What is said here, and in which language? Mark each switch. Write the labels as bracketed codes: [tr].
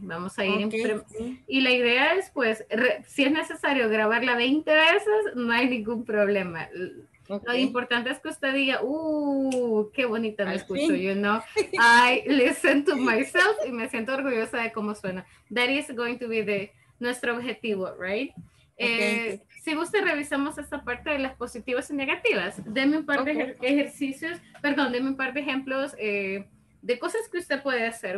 [es] Vamos a ir. Y la idea es pues, si es necesario grabarla 20 veces, no hay ningún problema. Okay. Lo importante es que usted diga, qué bonita me escucho, you know. [en] I listen to myself [es] y me siento orgullosa de cómo suena. [en] That is going to be the, [es] nuestro objetivo, [en] right? Okay. [es] Si usted revisamos esta parte de las positivas y negativas, deme un par de ejercicios, perdón, deme un par de ejemplos de cosas que usted puede hacer.